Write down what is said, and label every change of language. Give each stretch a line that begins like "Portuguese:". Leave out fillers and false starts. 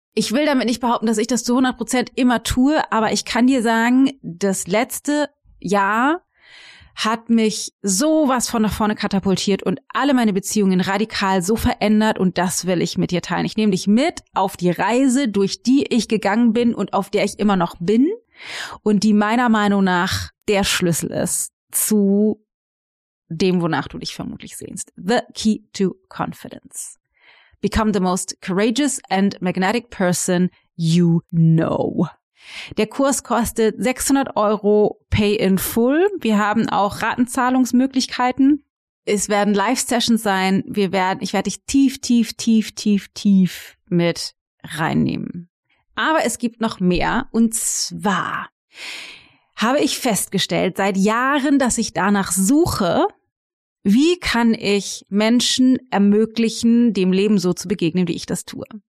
German: Ich will damit nicht behaupten, dass ich das zu 100% immer tue, aber ich kann dir sagen, das letzte Jahr hat mich sowas von nach vorne katapultiert und alle meine Beziehungen radikal so verändert und das will ich mit dir teilen. Ich nehme dich mit auf die Reise, durch die ich gegangen bin und auf der ich immer noch bin und die meiner Meinung nach der Schlüssel ist zu dem, wonach du dich vermutlich sehnst.
English: The key to confidence. Become the most courageous and magnetic person you know.
German: Der Kurs kostet 600 Euro
English: pay in full.
German: Wir haben auch Ratenzahlungsmöglichkeiten. Es werden Live-Sessions sein. Ich werde dich tief mit reinnehmen. Aber es gibt noch mehr. Und zwar habe ich festgestellt seit Jahren, dass ich danach suche, wie kann ich Menschen ermöglichen, dem Leben so zu begegnen, wie ich das tue?